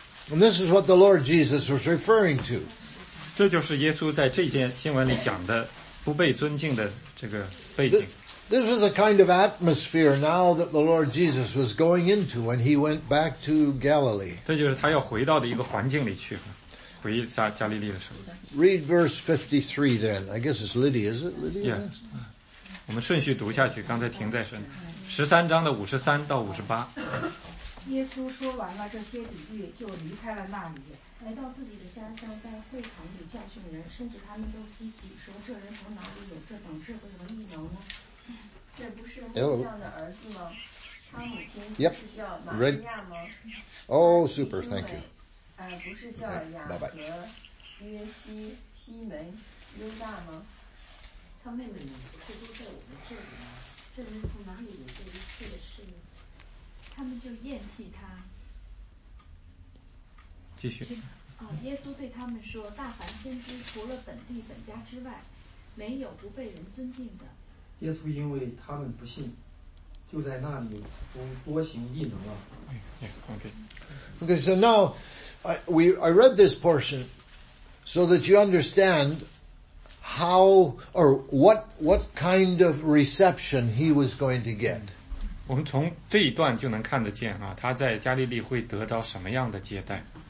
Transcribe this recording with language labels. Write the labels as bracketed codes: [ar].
[en] And this is what the Lord Jesus was referring to. [zh] 这就是耶稣在这件经文里讲的不被尊敬的这个背景。 [en] This was a kind of atmosphere now that the Lord Jesus was going into when he went back to Galilee. [zh] 这就是他要回到的一个环境里去了。 [en] Read verse 53 then. I guess it's Lydia, is it Lydia? Yeah. [zh] 我们顺序读下去，刚才停在神。 13章的53到58。耶稣说完了这些比喻，就离开了那里，来到自己的家乡，在会堂里教训人，甚至他们都稀奇，说这人从哪里有这等智慧和异能呢？这不是木匠的儿子吗？他母亲不是叫玛利亚吗？ [en] Oh, super, thank you. [zh] 不是叫雅各、约西、西门、犹大吗？他妹妹们不是都在我们这里吗？这人从哪里有这一切的事呢？他们就厌弃他。继续。耶稣对他们说：“大凡先知，除了本地本家之外，没有不被人尊敬的。” 耶稣因为他们不信，就在那里多行异能了。 [en] Okay, so now. I read this portion so that you understand how or what kind of reception he was going to get. [zh] 我们从这一段就能看得见啊，他在加利利会得到什么样的接待。